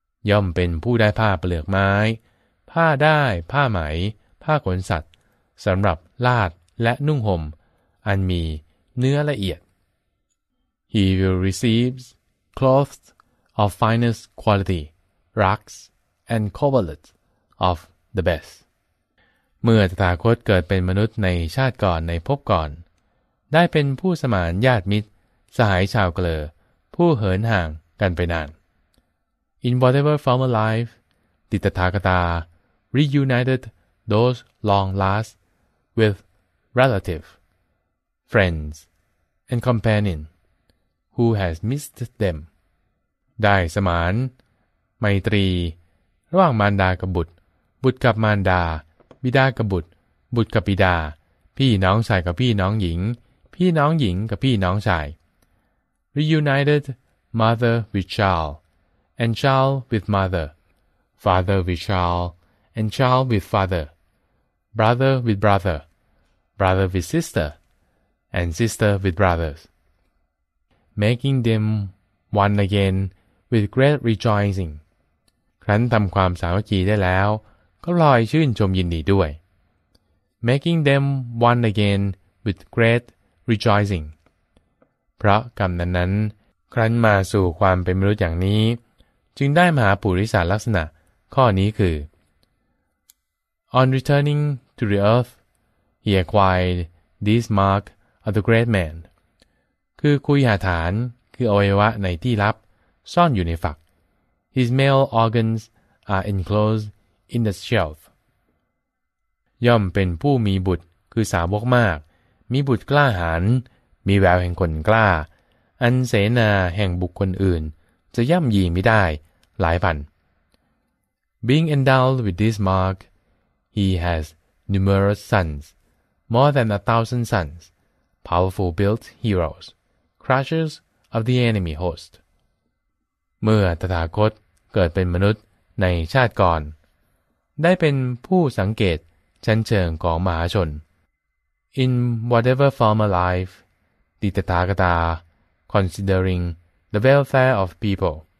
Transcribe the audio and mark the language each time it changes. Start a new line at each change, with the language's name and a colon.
Thai: ย่อมเป็นผู้ได้ผ้าเปลือกไม้ผ้าได้ผ้าไหมผ้าขนสัตว์สำหรับลาดและนุ่งห่มอันมีเนื้อละเอียด
English: He will receive clothes of finest quality, rugs and coverlets of the best.
Thai: เมื่อตถาคตเกิดเป็นมนุษย์ในชาติก่อนในภพก่อนได้เป็นผู้สมานญาติมิตรสหายชาวเกลอผู้เหินห่างกันไปนาน
English: In whatever form of life, the Tathagata reunited those long lost with relative, friends, and companion who has missed them.
Thai: ได้สมานไมตรีระหว่างมารดากับบุตรบุตรกับมารดาบิดากับบุตรบุตรกับบิดาพี่น้องชายกับพี่น้องหญิงพี่น้องหญิงกับพี่น้องชาย
English: Reunited mother with child, and child with mother, father with child, and child with father, brother with brother, brother with sister, and sister with brothers. Making them one again with great rejoicing.
Thai: ครั้นทำความสามัคคีได้แล้วก็ลอยชื่นชมยินดีด้วย
English: Making them one again with great rejoicing.
Thai: เพราะกรรมนั้นครั้นมาสู่ความเป็นมนุษย์อย่างนี้จึงได้มหาปุริสลักษณะข้อนี้คือ
English: On returning to the earth, he acquired this mark of the great man.
Thai: คือคุยหาฐานคืออวัยวะในที่ลับซ่อนอยู่ในฝัก
English: His male organs are enclosed in the shelf.
Thai: ย่อมเป็นผู้มีบุตรคือสาวกมากมีบุตรกล้าหาญมีแววแห่งคนกล้าอันเสนาแห่งบุคคลอื่นจะย่ำยีไม่ได้หลายพัน
English: Being endowed with this mark, he has numerous sons, more than 1,000 sons, powerful built heroes, crushers of the enemy host.
Thai: เมื่อตถาคตเกิดเป็นมนุษย์ในชาติก่อนได้เป็นผู้สังเกตชั้นเชิงของมหาชน
English: In whatever form of lifeติตตากตา considering the welfare of people